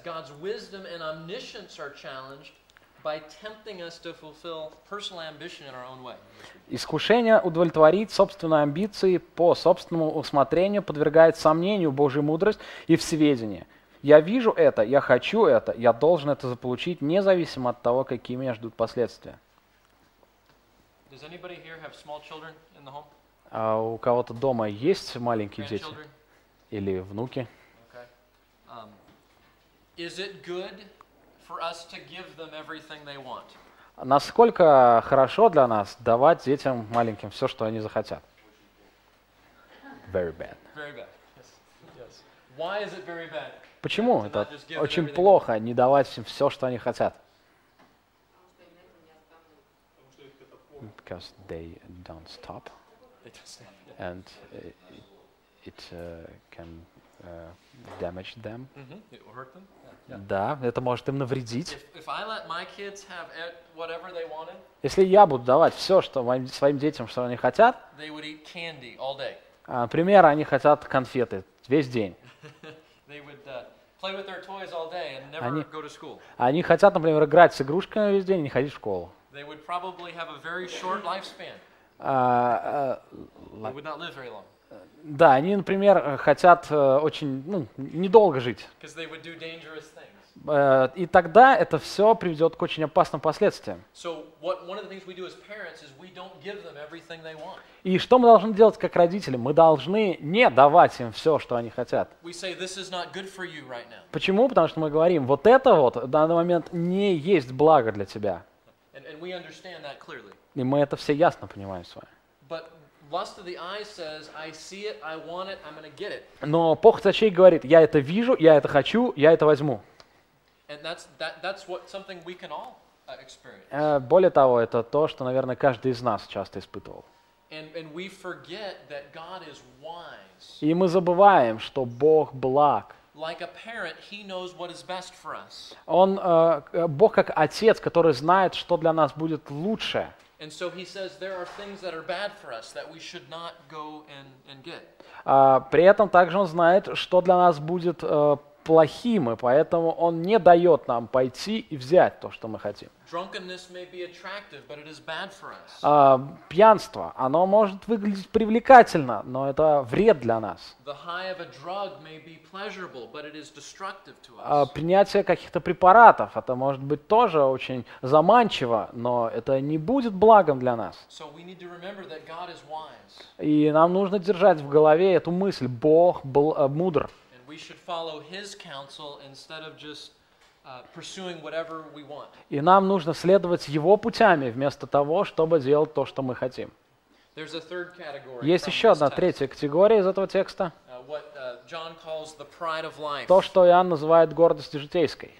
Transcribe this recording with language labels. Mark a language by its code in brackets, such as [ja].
[en] God's wisdom and omniscience are challenged by tempting us to fulfill personal ambition in our own way. [ru] Искушение удовлетворить собственные амбиции по собственному усмотрению подвергает сомнению Божью мудрость и всеведение. Я вижу это, я хочу это, я должен это заполучить, независимо от того, какие меня ждут последствия. [en] Does anybody here have small children in the home? [ru] У кого-то дома есть маленькие дети или внуки? [en] Is it good for us to give them everything they want? [ru] Насколько хорошо для нас давать детям маленьким все, что они захотят? [en] Very bad. Very bad. Yes. Yes. Why is it very bad? [ru] Почему это очень плохо не давать им все, что они хотят? [en] Because they don't stop. And it can damage them. Mm-hmm. It will hurt them. Yeah. [ru] Да, это может им навредить. [en] If I let my kids have whatever they wanted, [ru] если я буду давать все, что моим, своим детям, что они хотят, [en] they would eat candy all day. [ru] Например, они хотят конфеты весь день. [en] They would, play with their toys all day and never [ru] они, [en] go to school. [ru] Они хотят, например, играть с игрушками весь день и не ходить в школу. [en] They would probably have a very short lifespan. They would not live very long. [ru] Да, они, например, хотят очень ну, недолго жить. [en] Because they would do dangerous things. [ru] И тогда это все приведет к очень опасным последствиям. [en] So what, one of the things we do as parents is we don't give them everything they want. [ru] И что мы должны делать как родители? Мы должны не давать им все, что они хотят. [en] We say, this is not good for you right now. [ru] Почему? Потому что мы говорим, вот это вот в данный момент не есть благо для тебя. [en] And we understand that clearly. [ru] И мы это все ясно понимаем с вами. [en] But lust of the eye says, I see it, I want it, I'm going to get it. [ru] Но похоть очей говорит, я это вижу, я это хочу, я это возьму. [en] And that's what something we can all experience. [ru] Более того, это то, что, наверное, каждый из нас часто испытывал. [en] And we forget that God is wise. [ru] И мы забываем, что Бог благ. [en] Like a parent, he knows what is best for us. [ru] Он Бог как отец, который знает, что для нас будет лучше. [en] And so he says there are things that are bad for us that we should not go and get. [ru] При этом также он знает, что для нас будет плохим, и поэтому он не дает нам пойти и взять то, что мы хотим. [en] Drunkenness may be attractive, but it is bad for us. [ru] Пьянство, оно может выглядеть привлекательно, но это вред для нас. [en] The high of a drug may be pleasurable, but it is destructive to us. [ru] Принятие каких-то препаратов, это может быть тоже очень заманчиво, но это не будет благом для нас. [en] So we need to remember that God is wise. [ru] И нам нужно держать в голове эту мысль, Бог был мудр. [en] And we should follow his counsel instead of just pursuing whatever we want. [ru] И нам нужно следовать его путями вместо того, чтобы делать то, что мы хотим. [en] There's a third category. [ru] Есть еще одна третья категория из этого текста. [en] What John calls the pride of life. [ru] То, что Иоанн называет гордостью житейской.